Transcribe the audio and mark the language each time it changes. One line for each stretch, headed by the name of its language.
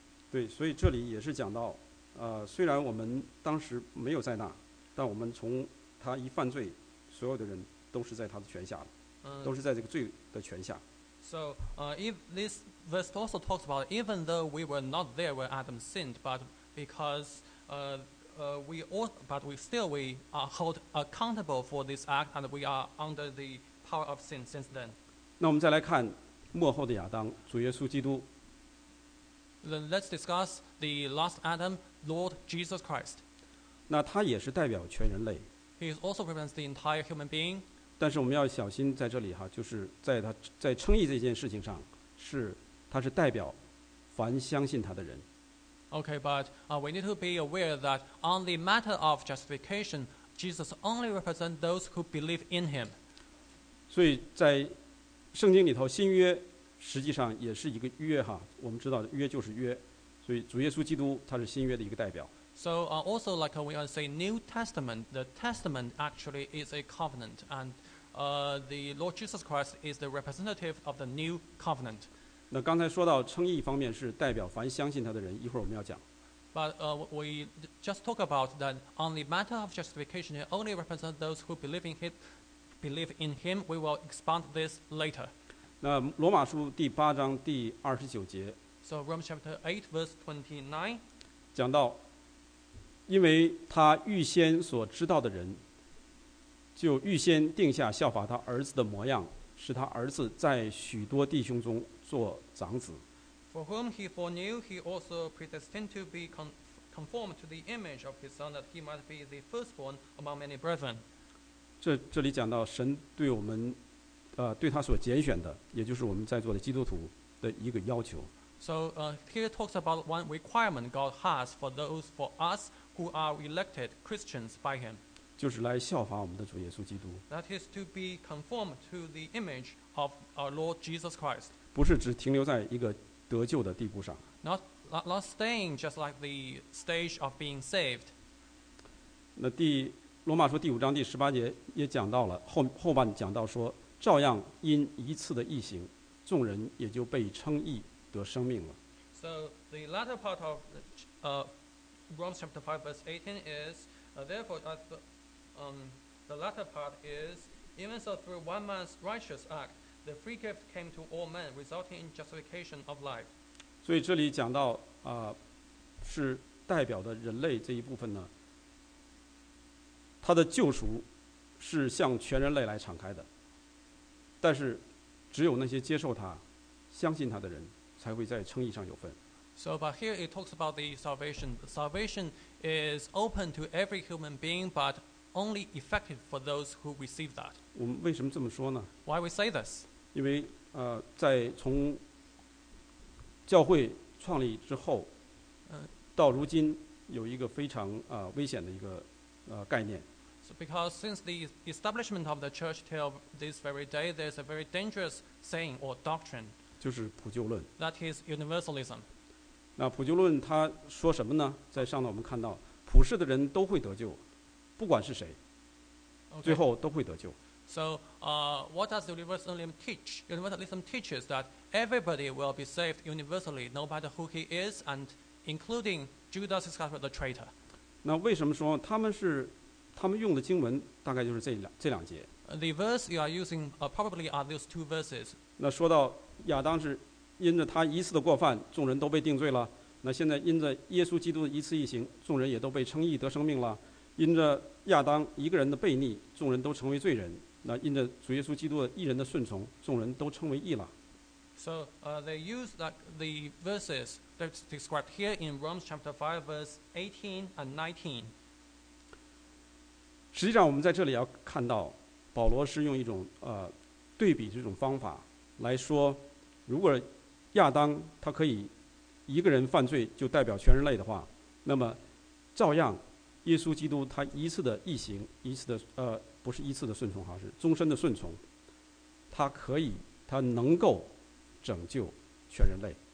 Chinese: 对，所以这里也是讲到虽然我们当时没有在那，但我们从他一犯罪，所有的人都是在他的权下，都是在这个罪的权下。
English: So, if this verse also talks about even though we were not there when Adam sinned, but because we are held accountable for this act and we are under the power of sin since then.
Chinese: 那我们再来看末后的亚当，主耶稣基督。
English: Then let's discuss the last Adam, Lord Jesus Christ.
Chinese: 那他也是代表全人类。
English: He also represents the entire human being.
Chinese: 但是我们要小心在这里哈，就是在他在称义这件事情上，是他是代表凡相信他的人。
English: Okay, but we need to be aware that on the matter of justification, Jesus only represents those who believe in him.
Chinese: 所以在圣经里头，新约实际上也是一个约哈，我们知道约就是约，所以主耶稣基督他是新约的一个代表。
English: So also like when we say New Testament, the Testament actually is a covenant, and the Lord Jesus Christ is the representative of the New Covenant.
Chinese: 那刚才说到称义方面是代表凡相信他的人，一会儿我们要讲。
English: But we just talk about that on the matter of justification, it only represents those who believe in him. We will expand this later.
Chinese: 那罗马书第八章第二十九节。
English: So Romans chapter 8 verse 29.
Chinese: 讲到因为他预先所知道的人，就预先定下效法他儿子的模样，使他儿子在许多弟兄中做长子。
English: For whom he foreknew, he also predestined to be conformed to the image of his son, that he might be the firstborn among many brethren.
Chinese: 这里讲到神对我们，对他所拣选的，也就是我们在座的基督徒的一个要求。
English: So, here talks about one requirement God has for those for us. Who are elected Christians by him?
Chinese: 就是来效法我们的主耶稣基督。
English: That is to be conformed to the image of our Lord Jesus Christ.
Chinese: 不是只停留在一个得救的地步上。
English: Not staying just like the stage of being saved.
Chinese: 那罗马书第五章第十八节也讲到了后半讲到说，照样因一次的义行，众人也就被称义得生命了。
English: So the latter part of Romans chapter 5 verse 18 is therefore the latter part is even so through one man's righteous act the free gift came to all men resulting in justification of life.
Chinese: 所以这里讲到是代表的人类这一部分呢，他的救赎是向全人类来敞开的，但是只有那些接受他相信他的人才会在称义上有份。
English: So, but here it talks about the salvation. The salvation is open to every human being, but only effective for those who receive that.
Chinese: 我们为什么这么说呢？
English: Why we say this?
Chinese: 因为在从教会创立之后，到如今有一个非常危险的一个概念。
English: So, because since the establishment of the church till this very day, there's a very dangerous saying or doctrine.
Chinese: 就是普救论。
English: That is universalism.
Chinese: 那普救论他说什么呢？在上面我们看到普世的人都会得救，不管是谁、
English: okay.
Chinese: 最后都会得救。
English: So what does universalism teach? Universalism teaches that everybody will be saved universally no matter who he is and including Judas Iscariot the traitor.
Chinese: 那为什么说他们用的经文大概就是这两节。
English: The verse you are using probably are those two verses.
Chinese: 那说到亚当是因着他一次的过犯，众人都被定罪了。那现在因着耶稣基督的一次一行，众人也都被称义得生命了。因着亚当一个人的悖逆，众人都成为罪人。那因着主耶稣基督的一人的顺从，众人都称为义了。
English: So, they use like the verses that's described here in Romans chapter 5, verse 18 and 19.
Chinese: 实际上，我们在这里要看到，保罗是用一种对比这种方法来说，如果亚当他可以一个人犯罪就代表全人类的话，那么照样耶稣基督他一次的义行，一次的不是一次的顺从，是终身的顺从，他可以他能够拯救全人类。